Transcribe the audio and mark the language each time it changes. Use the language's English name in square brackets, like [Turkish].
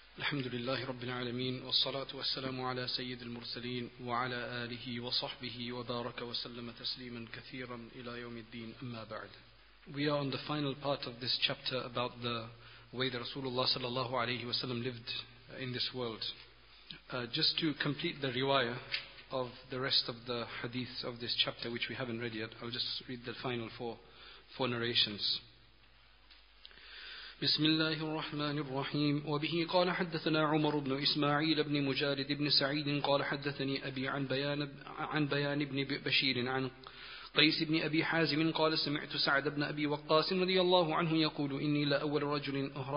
[Arabic] الحمد لله رب العالمين، والصلاة والسلام على سيد المرسلين وعلى آله وصحبه وبارك وسلم تسليما كثيرا إلى يوم الدين. أما بعد، [English] we are on the final part of this chapter about the way that Rasulullah sallallahu alayhi wasallam lived in this world. Just to complete the riwayah of the rest of the hadiths of this chapter, which we haven't read yet, I'll just read the final four narrations. [Arabic] بسم الله الرحمن الرحيم وبه قال حدثنا عمر بن إسماعيل بن مجارد بن سعيد قال حدثني أبي عن بيان بن بشير عن قيس بن أبي حازم قال سمعت سعد بن أبي وقاص رضي الله عنه يقول إني لأول رجل